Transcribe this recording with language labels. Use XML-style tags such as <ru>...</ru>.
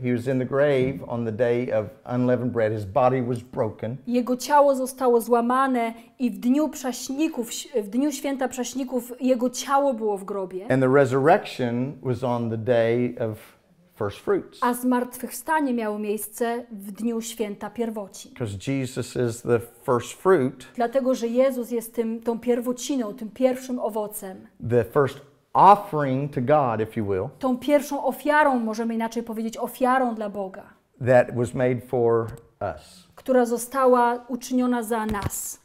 <en>He was in the grave on the day of unleavened bread. His body was broken.</en> <pl>Jego ciało zostało złamane i w dniu święta prześników jego ciało było w grobie.</pl> <en>And the resurrection was on the day of first fruits.</en> <pl>A zmartwychwstanie miało miejsce w dniu święta pierwocin.</pl> <en>Because Jesus is the first fruit.</en> <pl>Dlatego że Jezus jest tą pierwociną, tym pierwszym owocem.</pl> <en>The first offering to God, if you will.</en> <pl>Tą pierwszą ofiarą, możemy inaczej powiedzieć, ofiarą dla Boga.</pl> <en>That was made for us.</en> <pl>Która została uczyniona za nas.</pl>